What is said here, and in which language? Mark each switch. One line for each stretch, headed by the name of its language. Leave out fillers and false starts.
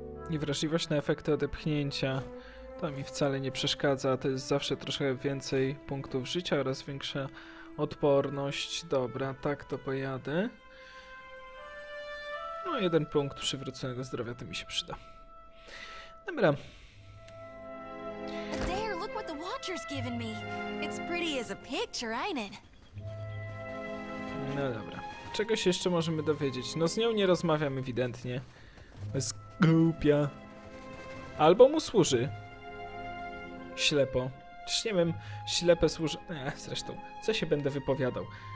Polish: Niewrażliwość na efekty odepchnięcia. To mi wcale nie przeszkadza. To jest zawsze troszkę więcej punktów życia oraz większa odporność. Dobra, tak to pojadę. No, jeden punkt przywróconego zdrowia to mi się przyda. Dobra.
English: There, look what the Watcher's given me. It's pretty as a picture, ain't it?
Polish: No dobra. Czego się jeszcze możemy dowiedzieć? No, z nią nie rozmawiam ewidentnie. Głupia. Albo mu służy. Ślepo. Czyż nie wiem, ślepe służy... zresztą, co się będę wypowiadał.